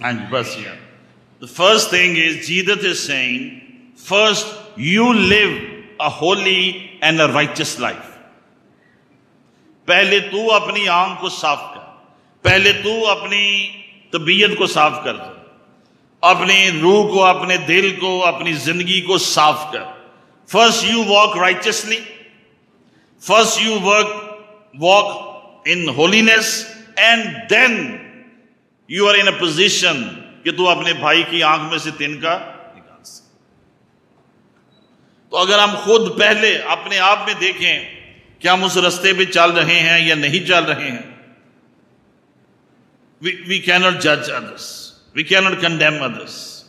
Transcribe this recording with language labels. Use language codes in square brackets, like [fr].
[ur] بس یار، [en] the first thing is Jesus is saying first you live a holy and a righteous life. [ur] پہلے تو اپنی آنکھ کو صاف کر، پہلے تو اپنی طبیعت کو صاف کر، اپنی روح کو، اپنے دل کو، اپنی زندگی کو صاف کر. [en] First you walk righteously, first you walk in holiness and then you are in a position [ur] کہ تو اپنے بھائی کی آنکھ میں سے تنکا نکال سکے. تو اگر ہم خود پہلے اپنے آپ میں دیکھیں کہ ہم اس رستے پہ چل رہے ہیں یا نہیں چل رہے ہیں، [en] We can not جج ادرس، we can not condemn others.